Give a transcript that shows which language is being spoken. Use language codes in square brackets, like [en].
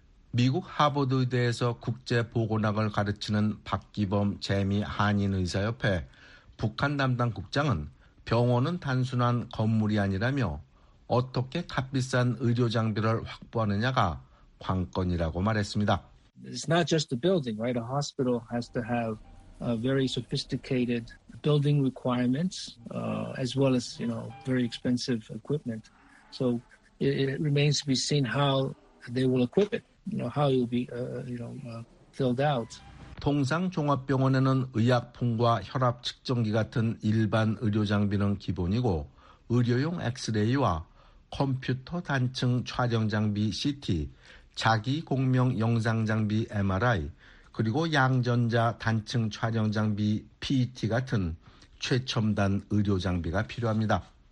[ko] 미국 하버드의대에서 국제보건학을 가르치는 박기범 재미 한인의사협회 북한 담당 국장은 병원은 단순한 건물이 아니라며 어떻게 값비싼 의료장비를 확보하느냐가 관건이라고 말했습니다. [en] It's not just a building, right? A hospital has to have a very sophisticated building requirements, as well as, you know, very expensive equipment. So it remains to be seen how they will equip it, you know, how it will be, filled out. [ko] 통상 종합병원에는 의약품과 혈압 측정기 같은 일반 의료 장비는 기본이고 의료용 엑스레이와 컴퓨터 단층 촬영 장비 CT, 자기 공명 영상 장비 MRI, 그리고 양전자 단층 촬영 장비 PET 같은 최첨단 의료 장비가 필요합니다.